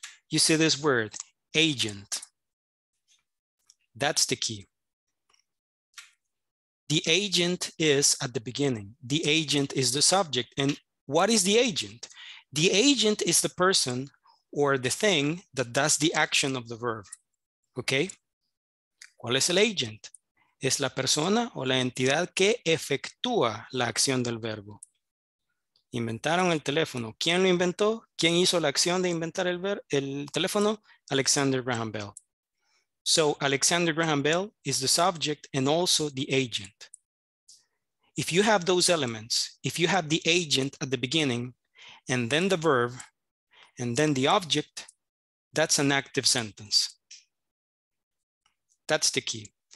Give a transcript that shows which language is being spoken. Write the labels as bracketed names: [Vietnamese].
[English] You see this word, agent. That's the key. The agent is at the beginning. The agent is the subject. And what is the agent? The agent is the person or the thing that does the action of the verb. Okay? [Spanish] ¿Cuál es el agent? Es la persona o la entidad que efectúa la acción del verbo. Inventaron el teléfono. ¿Quién lo inventó? ¿Quién hizo la acción de inventar el teléfono? Alexander Graham Bell. [English] So Alexander Graham Bell is the subject and also the agent. If you have those elements, if you have the agent at the beginning and then the verb and then the object, that's an active sentence. That's the key.